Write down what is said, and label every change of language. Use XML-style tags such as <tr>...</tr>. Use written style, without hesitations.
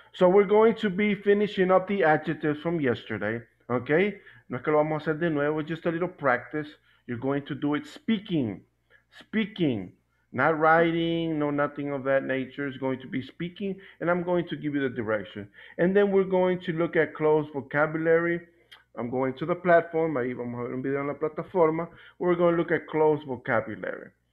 <en>So we're going to be finishing up the adjectives from yesterday, okay?</en> <es>No es que lo vamos a hacer de nuevo,</es> <en>just a little practice. You're going to do it speaking, not writing, no, nothing of that nature. It's going to be speaking, and I'm going to give you the direction. And then we're going to look at closed vocabulary. I'm going to the platform,</en> <es>ahí vamos a ver un video en la plataforma.</es> <en>We're going to look at closed vocabulary.</en>